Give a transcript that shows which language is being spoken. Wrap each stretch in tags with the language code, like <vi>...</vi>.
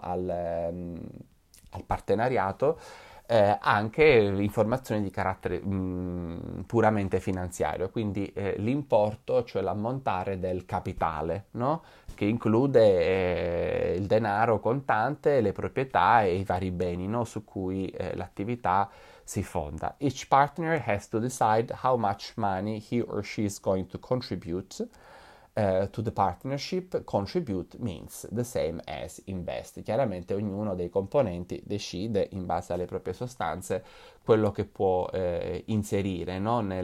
<it>Al partenariato. Anche informazioni di carattere puramente finanziario, quindi l'importo, cioè l'ammontare del capitale, no? Che include il denaro contante, le proprietà e i vari beni, no? Su cui l'attività si fonda.</it> <en>Each partner has to decide how much money he or she is going to contribute. To the partnership, contribute means the same as invest.</en> <it>Chiaramente ognuno dei componenti decide in base alle proprie sostanze quello che può inserire, no?</it>